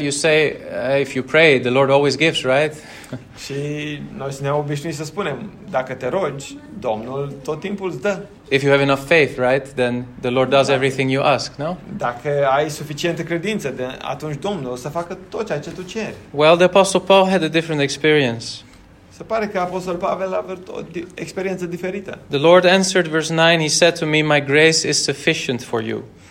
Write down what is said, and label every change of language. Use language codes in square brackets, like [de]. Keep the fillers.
[en] you say uh, if you pray, the Lord always gives, right? [ro] Și noi suntem obișnuiți să spunem, dacă te rogi, Domnul tot timpul îți dă. [en] If you have enough faith, right, then the Lord does everything you ask, no? [ro] Dacă ai suficientă credință, de, atunci Domnul o să facă tot ceea ce tu [en] Well, the Apostle Paul had a different experience. [ro] Se pare că Apostol Pavel a avut o di- experiență [en] The Lord answered verse 9, he said to me, my grace is sufficient for you.